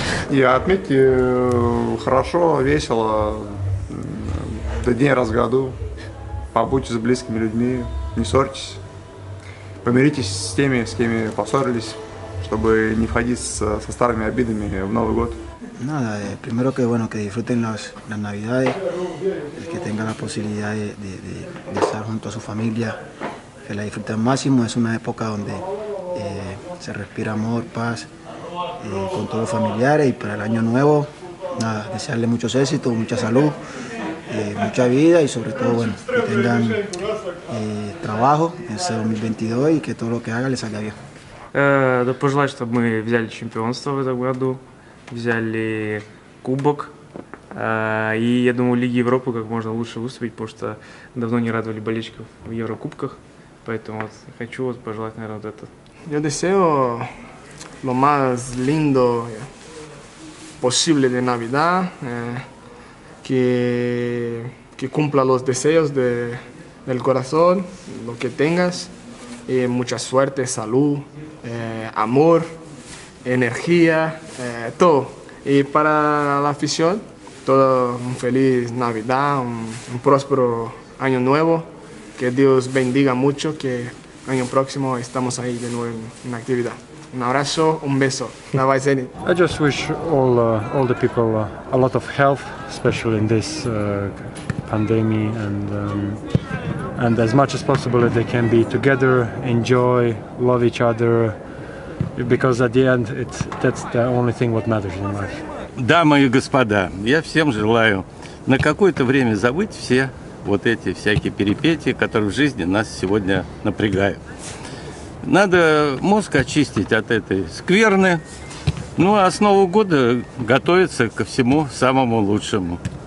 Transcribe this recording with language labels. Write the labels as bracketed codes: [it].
[ru] И отметьте, хорошо, весело, до дня раз в году. Побудьте с близкими людьми, не ссорьтесь, помиритесь с теми, с кем поссорились, чтобы не входить со старыми обидами в Новый год. [es] Nada, primero que bueno que disfruten las Navidades, que tengan la posibilidad de estar junto a su familia, que la disfruten máximo. Es una época donde se respira amor, paz, con todos los familiares y para el año nuevo, nada, desearle muchos éxitos, mucha salud. Mucha vida y sobre todo bueno que tengan trabajo en ese 2022 y que todo lo que hagan les salga bien. [ru] Да пожелать, чтобы мы взяли чемпионство в этом году, взяли кубок, и я думаю Лиги Европы как можно лучше выступить, потому что давно не радовали болельщиков в Еврокубках, поэтому вот хочу вот пожелать, наверное, вот это. Я до сего [es] lo más lindo posible de Navidad, que cumpla los deseos del corazón, lo que tengas, mucha suerte, salud, amor, energía, todo. Y para la afición, todo un feliz Navidad, un próspero año nuevo, que Dios bendiga mucho, que año próximo estamos ahí de nuevo en actividad. Un abrazo, un beso. Bye Zenit. [en] I just wish all the people a lot of health, especially in this pandemic, and as much as possible they can be together, enjoy, love each other. Because at the end, that's the only thing what matters in life. [ru] Дамы и господа, я всем желаю на какое-то время забыть все вот эти всякие перипетии, которые в жизни нас сегодня напрягают. Надо мозг очистить от этой скверны. Ну, а с Нового года готовиться ко всему самому лучшему.